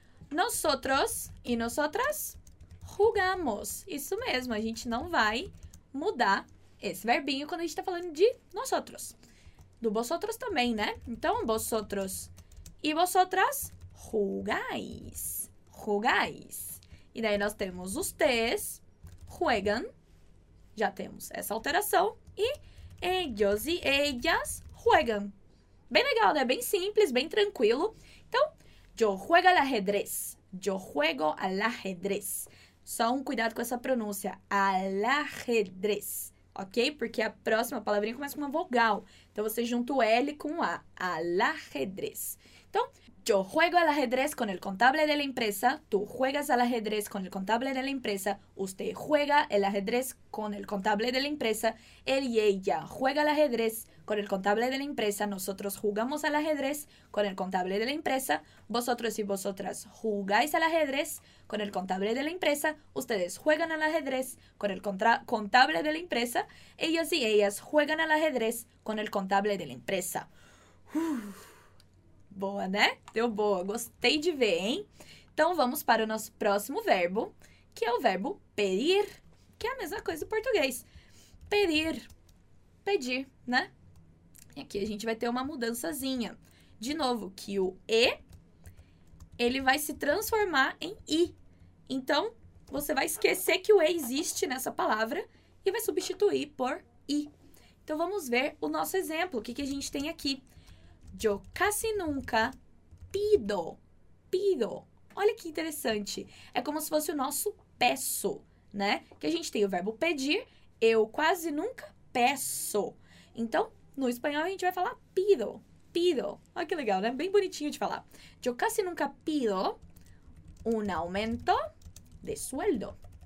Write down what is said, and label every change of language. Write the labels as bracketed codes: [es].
[es] Nosotros e nosotras jugamos. [pt] Isso mesmo, a gente não vai mudar esse verbinho quando a gente está falando de nosotros. Do vosotros também, né? Então, [es] vosotros e vosotras jugáis. [pt] Jugáis. E daí nós temos [es] ustedes, juegan, [pt] já temos essa alteração, e [es] ellos e ellas juegan. [pt] Bem legal, né? Bem simples, bem tranquilo. Então, [es] yo juego al ajedrez. Yo juego al ajedrez. [pt] Só um cuidado com essa pronúncia. [es] Al ajedrez. [pt] Ok? Porque a próxima palavrinha começa com uma vogal. Então, você junta o L com o A. [es] Al ajedrez. [pt] Então, [es] yo juego al ajedrez con el contable de la empresa. Tú juegas al ajedrez con el contable de la empresa. Usted juega el ajedrez con el contable de la empresa. Él y ella juega al ajedrez con el contable de la empresa. Nosotros jugamos al ajedrez con el contable de la empresa. Vosotros y vosotras jugáis al ajedrez con el contable de la empresa. Ustedes juegan al ajedrez con el contable de la empresa. Ellos y ellas juegan al ajedrez con el contable de la empresa. [pt] Boa, né? Deu boa. Gostei de ver, hein? Então, vamos para o nosso próximo verbo, que é o verbo pedir, que é a mesma coisa em português. Pedir. Pedir, né? E aqui a gente vai ter uma mudançazinha. De novo, que o E, ele vai se transformar em I. Então, você vai esquecer que o E existe nessa palavra e vai substituir por I. Então, vamos ver o nosso exemplo. O que, que a gente tem aqui? [es] Yo casi nunca pido. Pido. [pt] Olha que interessante. É como se fosse o nosso peço, né? Que a gente tem o verbo pedir. Eu quase nunca peço. Então, no espanhol, a gente vai falar [es] pido. Pido. [pt] Olha que legal, né? Bem bonitinho de falar. [es] Yo casi nunca pido un aumento de sueldo.